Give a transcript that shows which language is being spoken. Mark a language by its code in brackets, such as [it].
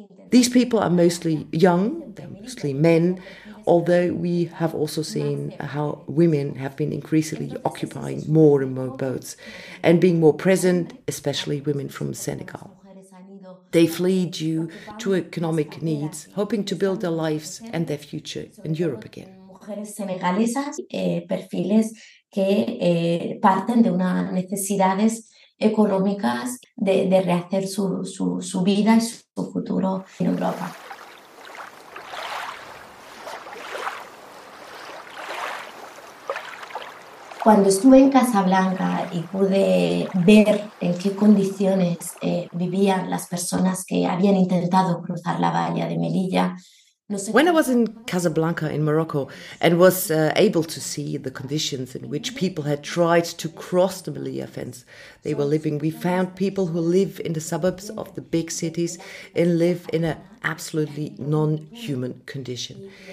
[en] These people are mostly young, they're mostly men, although we have also seen how women have been increasingly occupying more and more boats and being more present, especially women from Senegal. They flee due to economic needs, hoping to build their lives and their future in Europe again. [es] Económicas de rehacer su vida y su futuro en Europa. Cuando estuve en Casablanca y pude ver en qué condiciones vivían las personas que habían intentado cruzar la valla de Melilla. [en] When I was in Casablanca in Morocco and was able to see the conditions in which people had tried to cross the Melilla fence they were living, we found people who live in the suburbs of the big cities and live in an absolutely non-human condition.